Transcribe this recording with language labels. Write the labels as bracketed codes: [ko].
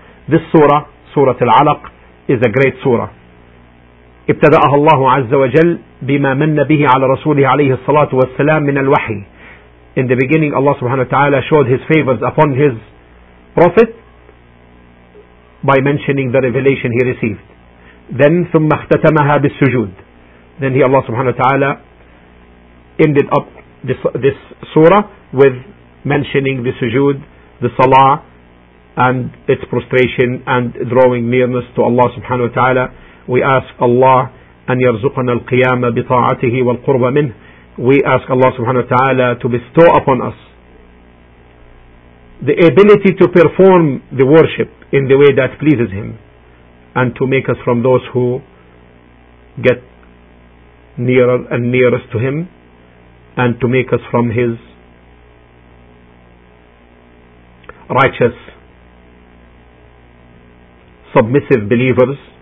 [en] This surah, Surah Al-Alaq, is a great surah. [ar] ابتدأها الله عز وجل بما من به على رسوله عليه الصلاة والسلام من الوحي. [en] In the beginning Allah subhanahu wa ta'ala showed his favors upon his prophet by mentioning the revelation he received. [ar] Then ثم اختتمها بالسجود. [en] Then he, Allah subhanahu wa ta'ala, ended up this surah with mentioning the sujood, the salah, and its prostration and drawing nearness to Allah subhanahu wa ta'ala. We ask Allah [ar] أن يرزقنا القيام بطاعته والقرب منه. [en] We ask Allah subhanahu wa ta'ala to bestow upon us the ability to perform the worship in the way that pleases him, and to make us from those who get nearer and nearest to him, and to make us from his righteous, submissive believers.